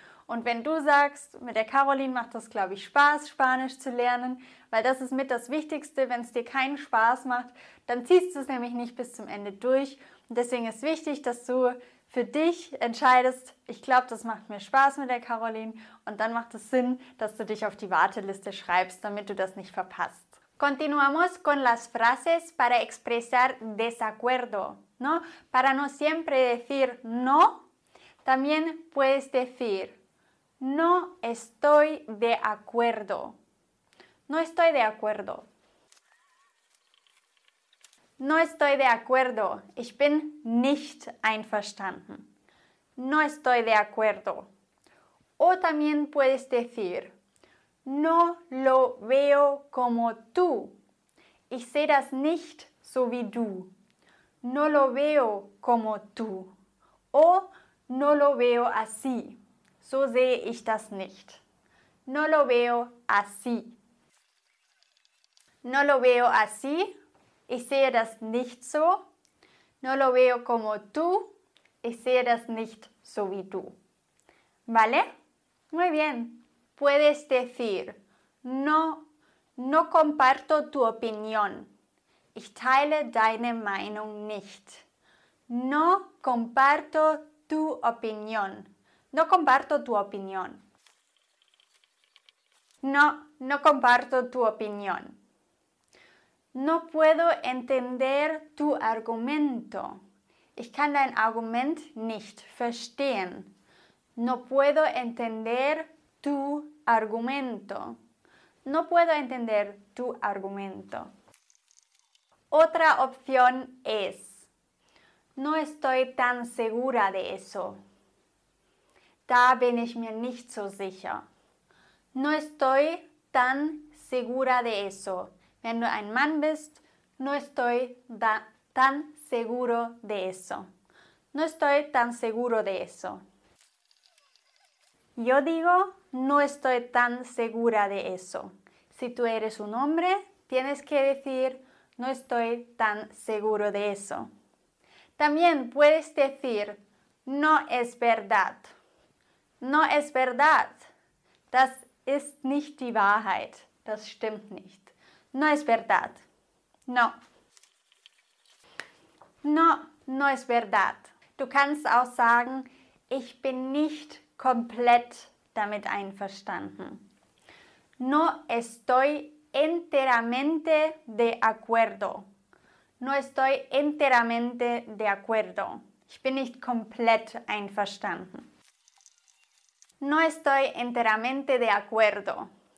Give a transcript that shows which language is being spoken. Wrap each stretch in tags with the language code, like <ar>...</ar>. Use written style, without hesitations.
<de>Und wenn du sagst, mit der Caroline macht das, glaube ich, Spaß, Spanisch zu lernen, weil das ist mit das Wichtigste, wenn es dir keinen Spaß macht, dann ziehst du es nämlich nicht bis zum Ende durch. Und deswegen ist wichtig, dass du für dich entscheidest, ich glaube, das macht mir Spaß mit der Caroline und dann macht es Sinn, dass du dich auf die Warteliste schreibst, damit du das nicht verpasst.</de> <es>Continuamos con las frases para expresar desacuerdo, ¿no? Para no siempre decir no, también puedes decir no estoy de acuerdo. No estoy de acuerdo. No estoy de acuerdo.</es> <de>Ich bin nicht einverstanden.</de> <es>No estoy de acuerdo. O también puedes decir, no lo veo como tú.</es> <de>Ich sehe das nicht so wie du.</de> <es>No lo veo como tú. O no lo veo así.</es> <de>So sehe ich das nicht.</de> <es>No lo veo así. No lo veo así.</es> <de>Ich sehe das nicht so.</de> <es>No lo veo como tú.</es> <de>Ich sehe das nicht so wie du.</de> <es>¿Vale? Muy bien. Puedes decir, no comparto tu opinión. Ich teile deine Meinung nicht. No comparto tu opinión. No comparto tu opinión. No comparto tu opinión. No puedo entender tu argumento.</es> <de>Ich kann dein Argument nicht verstehen.</de> <es>No puedo entender tu argumento. No puedo entender tu argumento. Otra opción es, no estoy tan segura de eso.</es> <de>Da bin ich mir nicht so sicher.</de> <es>No estoy tan segura de eso.</es> <de>Wenn du ein Mann bist,</de> <es>no estoy tan seguro de eso. No estoy tan seguro de eso. Yo digo, no estoy tan segura de eso. Si tú eres un hombre, tienes que decir, no estoy tan seguro de eso. También puedes decir, no es verdad. No es verdad.</es> <de>Das ist nicht die Wahrheit. Das stimmt nicht.</de> <es>No es verdad. No. No, no es verdad.</es> <de>Du kannst auch sagen, ich bin nicht komplett damit einverstanden.</de> <es>No estoy enteramente de acuerdo. No estoy enteramente de acuerdo.</es> <de>Ich bin nicht komplett einverstanden.</de> <es>No estoy enteramente de acuerdo.</es>